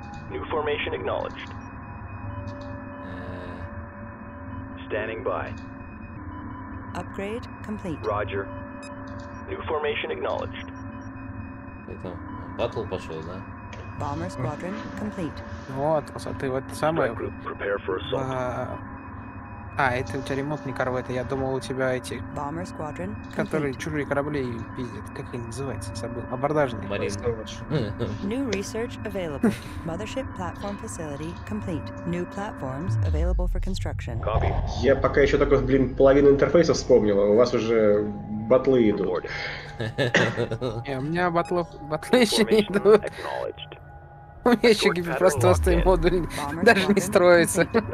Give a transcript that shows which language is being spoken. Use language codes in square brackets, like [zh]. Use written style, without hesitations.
[en] New formation acknowledged. Standing by. Upgrade complete. Roger. New formation acknowledged. [ru] Это battle пошел, да? [en] Bomber squadron complete. [ru] Вот, ты вот самое. [en] Prepare for assault. [ru] А, это у тебя ремонтный корвет, я думал, у тебя эти... [en] Bomber squadron complete. [ru] Которые чужие корабли пиздят, как они называются, забыл. Абордажные. [en] Марина. New research available. Mothership platform facility complete. New platforms available for construction. Copy. [ru] Я пока еще такой, блин, половину интерфейса вспомнил, а у вас уже батлы идут. Не, у меня батлы еще не идут. У меня еще гиперпространственный модуль даже не строится.